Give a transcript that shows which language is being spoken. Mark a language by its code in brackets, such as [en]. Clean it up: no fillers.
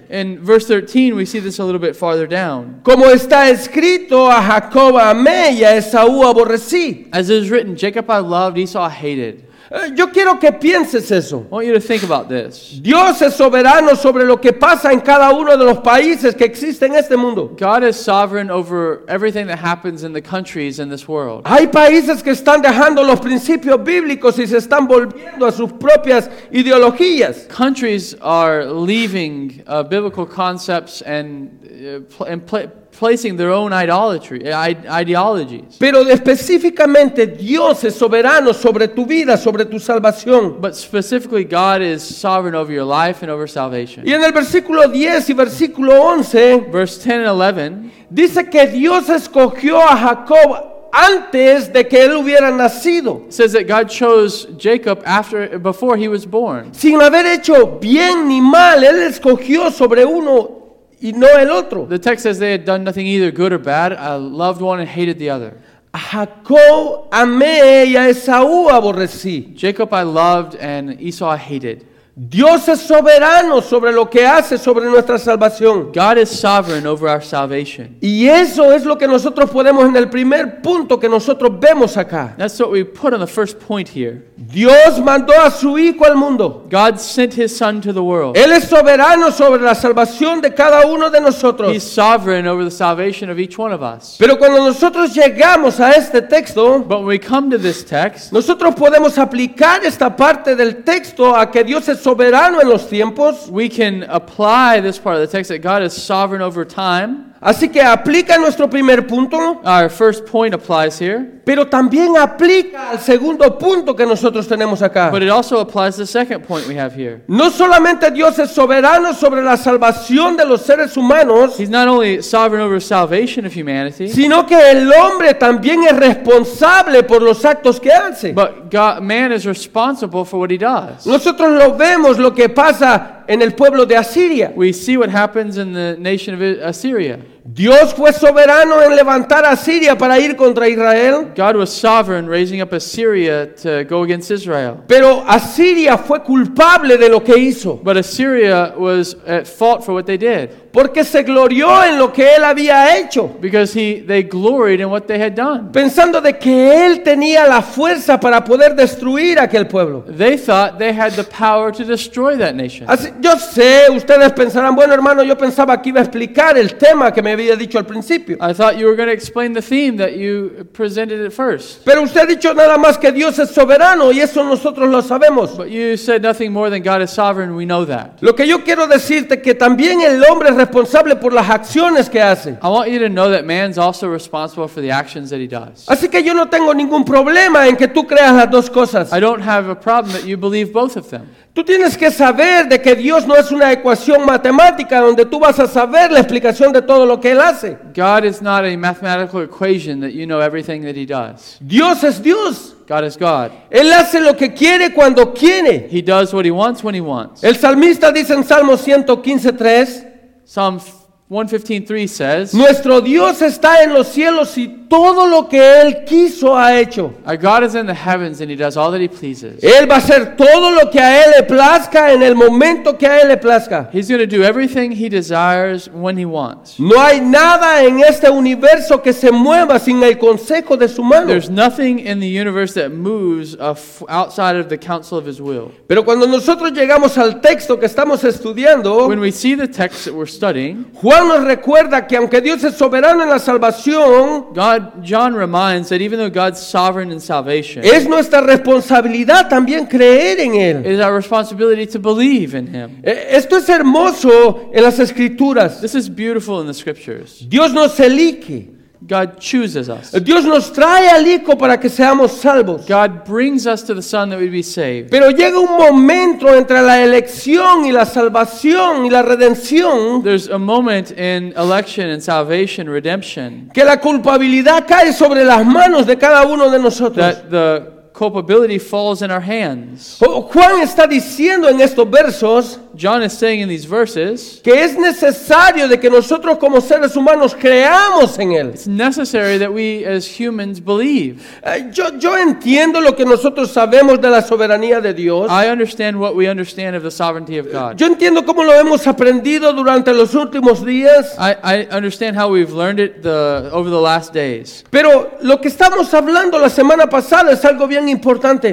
[en] In verse 13, we see this a little bit farther down. [es] Como está escrito, a Jacob amé y a Esaú aborrecí. [en] As it is written, Jacob I loved, Esau I hated. [es] Yo quiero que pienses eso. [en] I want you to think about this. [es] Dios es soberano sobre lo que pasa en cada uno de los países que existen en este mundo. [en] God is sovereign over everything that happens in the countries in this world. [es] Hay países que están dejando los principios bíblicos y se están volviendo a sus propias ideologías. [en] Countries are leaving biblical concepts and placing their own ideologies. [es] Pero específicamente Dios es soberano sobre tu vida, sobre tu salvación. [en] But specifically God is sovereign over your life and over salvation. [es] Y en el versículo 10 y versículo 11, [en] verse 10 and 11, [es] dice que Dios escogió a Jacob antes de que él hubiera nacido. [en] Says that God chose Jacob before he was born. [es] Sin haber hecho bien ni mal, él escogió sobre uno y no el otro. [en] The text says they had done nothing either good or bad. I loved one and hated the other. [es] Jacob amé y a Esaú aborrecí. [en] Jacob I loved and Esau I hated. [es] Dios es soberano sobre lo que hace sobre nuestra salvación. [en] God is sovereign over our salvation. [es] Y eso es lo que nosotros podemos en el primer punto que nosotros vemos acá. [en] That's what we put on the first point here. [es] Dios mandó a su hijo al mundo. [en] God sent his son to the world. [es] Él es soberano sobre la salvación de cada uno de nosotros. [en] He's sovereign over the salvation of each one of us. [es] Pero cuando nosotros llegamos a este texto, [en] but when we come to this text, [es] nosotros podemos aplicar esta parte del texto a que Dios es soberano en los tiempos. [en] We can apply this part of the text that God is sovereign over time. [es] Así que aplica nuestro primer punto. [en] Our first point applies here. [es] Pero también aplica al segundo punto que nosotros tenemos acá. [en] But it also applies the second point we have here. [es] No solamente Dios es soberano sobre la salvación de los seres humanos. [en] He's not only sovereign over salvation of humanity. [es] Sino que el hombre también es responsable por los actos que hace. [en] But God, man is responsible for what he does. [es] Nosotros lo vemos lo que pasa en el pueblo de Asiria. [en] We see what happens in the nation of Assyria. [es] Dios fue soberano en levantar a Siria para ir contra Israel. [en] God was sovereign raising up Assyria to go against Israel. [es] Pero Asiria fue culpable de lo que hizo. [en] But Assyria was at fault for what they did. [es] Porque se glorió en lo que él había hecho. [en] Because they gloried in what they had done. [es] Pensando de que él tenía la fuerza para poder destruir aquel pueblo. [en] They thought they had the power to destroy that nation. [es] Así, yo sé, ustedes pensarán, bueno hermano, yo pensaba que iba a explicar el tema que me había dicho al principio. [en] I thought you were going to explain the theme that you presented at first. [es] Pero usted ha dicho nada más que Dios es soberano y eso nosotros lo sabemos. [en] But you said nothing more than God is sovereign, we know that. [es] Lo que yo quiero decirte que también el hombre responsable por las acciones que hace. [en] I want you to know that man's also responsible for the actions that he does. [es] Así que yo no tengo ningún problema en que tú creas las dos cosas. [en] I don't have a problem that you believe both of them. [es] Tú tienes que saber de que Dios no es una ecuación matemática donde tú vas a saber la explicación de todo lo que Él hace. [en] God is not a mathematical equation that you know everything that He does. [es] Dios es Dios. [en] God is God. [es] Él hace lo que quiere cuando quiere. [en] He does what He wants when He wants. [es] El salmista dice en Salmo 115:3, [en] Psalm 115:3 says, [es] nuestro Dios está en los cielos y todo lo que Él quiso ha hecho. [en] Our God is in the heavens and He does all that He pleases. [es] Él va a hacer todo lo que a Él le plazca en el momento que a Él le plazca. [en] He's going to do everything He desires when He wants. [es] No hay nada en este universo que se mueva sin el consejo de su mano. [en] There's nothing in the universe that moves outside of the counsel of His will. [es] Pero cuando nosotros llegamos al texto que estamos estudiando, [en] when we see the text that we're studying, [es] Juan nos recuerda que aunque Dios es soberano en la salvación, [en] John reminds that even though God's sovereign in salvation, [es] es nuestra responsabilidad también creer en Él. [en] It is our responsibility to believe in Him. [es] Esto es hermoso en las Escrituras. [en] This is beautiful in the Scriptures. [es] Dios nos elige. [en] God chooses us. [es] Dios nos trae al Hijo para que seamos salvos. [en] God brings us to the Son that we'd be saved. [es] Pero llega un momento entre la elección y la salvación y la redención. [en] There's a moment in election and salvation, redemption. [es] Que la culpabilidad cae sobre las manos de cada uno de nosotros. [en] That the culpability falls in our hands. [es] Juan está diciendo en estos versos, [en] John is saying in these verses, [es] que es necesario de que nosotros como seres humanos creamos en él. [en] It's necessary that we as humans believe. [es] Yo entiendo lo que nosotros sabemos de la soberanía de Dios. [en] I understand what we understand of the sovereignty of God. [es] Yo entiendo cómo lo hemos aprendido durante los últimos días. [en] I understand how we've learned it over the last days. [es] Pero lo que estamos hablando la semana pasada es algo bien importante.